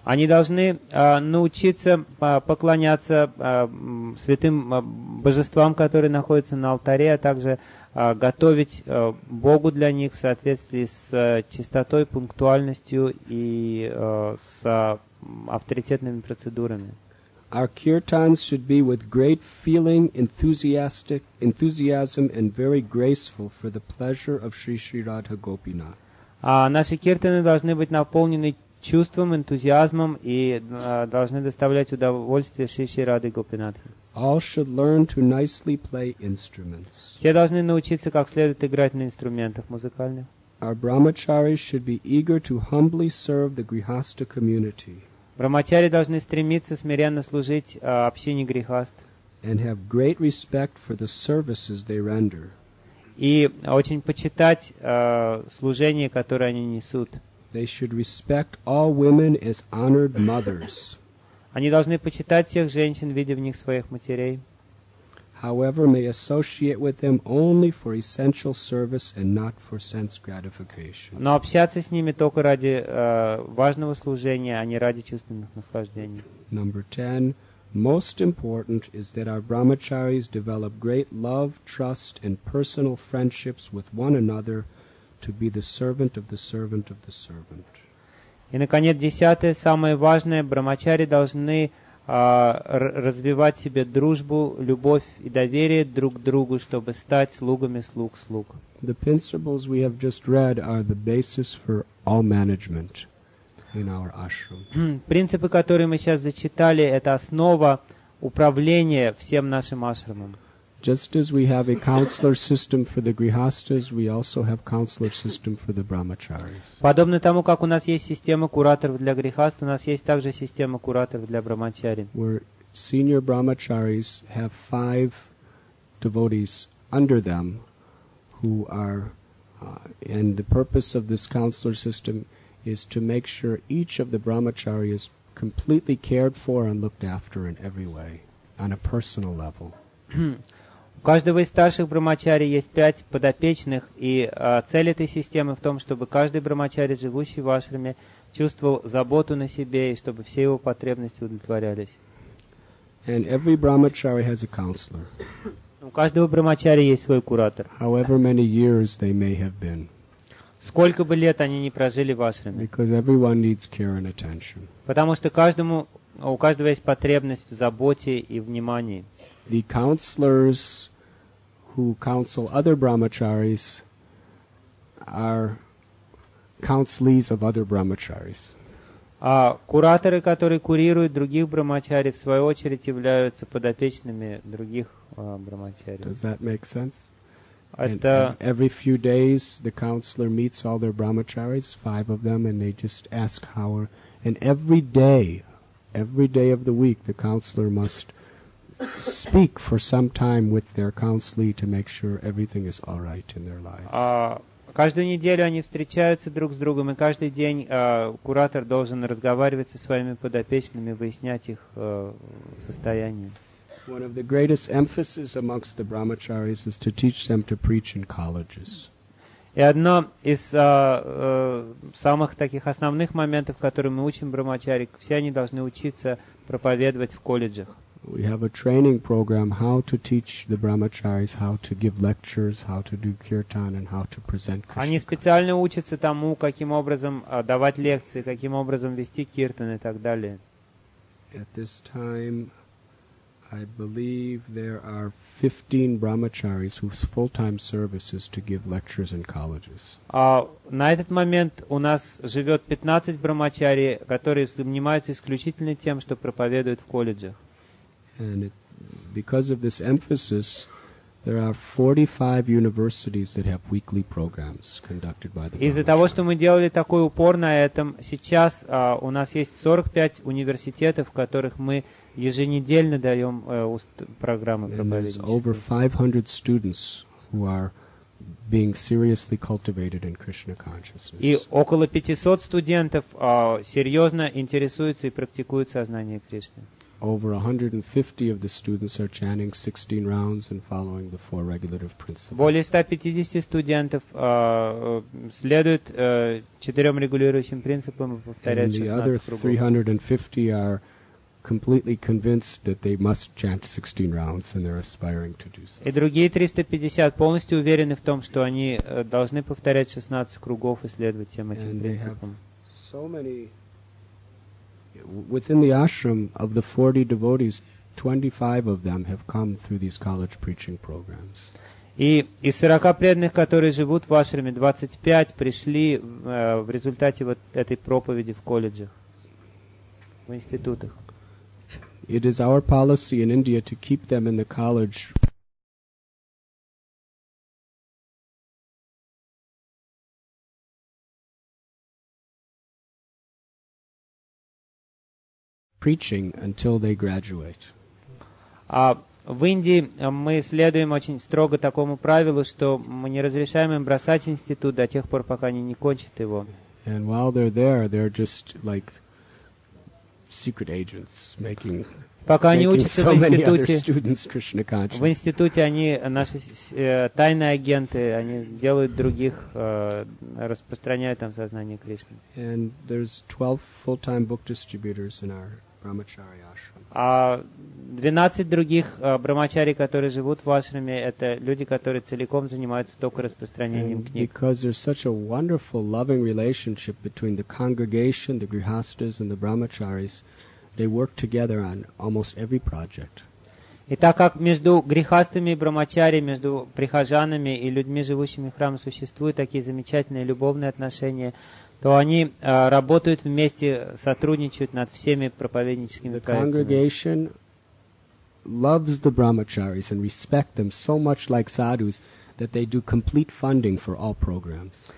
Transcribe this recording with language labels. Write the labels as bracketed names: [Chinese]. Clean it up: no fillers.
[Russian] Они должны научиться поклоняться святым божествам, которые находятся на алтаре, а также готовить Богу для них в соответствии с чистотой, пунктуальностью и с авторитетными процедурами. [English] Our kirtans should be with great feeling, enthusiasm and very graceful for the pleasure of Sri Sri Radha Gopinath. [Russian] Наши киртаны должны быть наполнены чувством, энтузиазмом и должны доставлять удовольствие Шри Шри Радхе Гопинатхе. [English] All should learn to nicely play instruments. [Russian] Все должны научиться как следует играть на инструментах музыкальных. [English] Our brahmacharis should be eager to humbly serve the grihastha community. [Russian] Брахмачари должны стремиться смиренно служить общине грихаст. [English] And have great respect for the services they render. [Russian] И очень почитать служение, которое они несут. [English] They should respect all women as honored mothers. [Russian] Они должны почитать всех женщин, видя в них своих матерей. [English] However, may associate with them only for essential service and not for sense gratification. [Russian] Но общаться с ними только ради важного служения, а не ради чувственных наслаждений. [English] Number 10. Most important is that our brahmacharis develop great love, trust, and personal friendships with one another to be the servant of the servant of the servant. [Russian] И, наконец, десятое, самое важное, брахмачари должны развивать в себе дружбу, любовь и доверие друг к другу, чтобы стать слугами слуг. [English] The principles we have just read are the basis for all management in our ashram. [Russian] Принципы, которые мы сейчас зачитали, это основа управления всем нашим ашрамом. [English] Just as we have a counselor system for the grihasthas, we also have counselor system for the brahmacharis. [Russian] Подобно тому, как у нас есть система кураторов для грихаст, у нас есть также система кураторов для брахмачарин. [English] Where senior brahmacharis have five devotees under them, who are, and the purpose of this counselor system is to make sure each of the brahmacharis is completely cared for and looked after in every way, on a personal level. [Russian] У каждого из старших брахмачари есть пять подопечных, и цель этой системы в том, чтобы каждый брахмачари, живущий в ашраме, чувствовал заботу на себе, и чтобы все его потребности удовлетворялись. [English] And every brahmachari has a counselor. [Russian] У каждого брахмачари есть свой куратор. [English] However many years they may have been. [Russian] Сколько бы лет они ни прожили в ашраме. [English] Because everyone needs care and attention. [Russian] Потому что каждому, у каждого есть потребность в заботе и внимании. [English] The counselors who counsel other brahmacharis are counselees of other brahmacharis. [Russian] А кураторы, которые курируют других брахмачари, в свою очередь являются подопечными других брахмачари. [English] Does that make sense? And every few days the counselor meets all their brahmacharis, five of them, and they just ask how are... And every day of the week, the counselor must speak for some time with their counselee to make sure everything is all right in their lives. [Russian] Каждую неделю они встречаются друг с другом, и каждый день куратор должен разговаривать со своими подопечными, выяснять их состояние. [English] One of the greatest emphases amongst the brahmacharis is to teach them to preach in colleges. [Russian] И одно из самых таких основных моментов, которые мы учим брахмачари, все они должны учиться проповедовать в колледжах. [English] We have a training program how to teach the brahmacharis how to give lectures, how to do kirtan, and how to present Krishna. [Russian] Они специально учатся тому, каким образом давать лекции, каким образом вести киртан и так далее. [English] At this time, I believe there are 15 brahmacharis whose full-time service is to give lectures in colleges. [Russian] На этот момент у нас живет 15 брахмачари, которые занимаются исключительно тем, что проповедуют в колледжах. [English] And it, because of this emphasis, there are 45 universities that have weekly programs conducted by the. [Russian] Из-за того, что мы делали такой упор на этом, сейчас у нас есть 45 университетов, в которых мы еженедельно даем программы проповедовать. [English] There's over 500 students who are being seriously cultivated in Krishna consciousness. [Russian] И около 500 студентов серьезно интересуются и практикуют сознание Кришны. [English] Over 150 of the students are chanting 16 rounds and following the four regulative principles. [Russian] Более 150 студентов следуют четырем регулирующим принципам и повторяют 16 кругов. [English] And the other 350 are completely convinced that they must chant 16 rounds and they're aspiring to do so. [Russian] И другие 350 полностью уверены в том, что они должны повторять 16 кругов и следовать всем этим and принципам. [English] So many. Within the ashram, of the 40 devotees, 25 of them have come through these college preaching programs. [Russian] И из 40 преданных, которые живут в ашраме, 25 пришли в результате вот этой проповеди в колледжах, в институтах. [English] It is our policy in India to keep them in the college. Preaching until they graduate. [Russian] В Индии мы следуем очень строго такому правилу, что мы не разрешаем им бросать институт до тех пор, пока они не кончат его. [English] And while they're there, they're just like secret agents making. [Russian] Пока они учатся so в институте, в институте они наши тайные агенты, они делают других, распространяют там сознание Кришны. [English] And there's 12 full-time book distributors in our. [Russian] А 12 других брахмачари, которые живут в ашраме, это люди, которые целиком занимаются только распространением and книг. [English] Because there's such a wonderful, loving relationship between the congregation, the grihasthas, and the brahmacharis, they work together on almost every project. [Russian] И так как между грехастыми и брахмачарями, между прихожанами и людьми, живущими в храме, существуют такие замечательные любовные отношения, то они работают вместе, сотрудничают над всеми проповедническими проектами. [English] Loves the brahmacharis and respect them so much like sadhus that they do complete funding for all programs.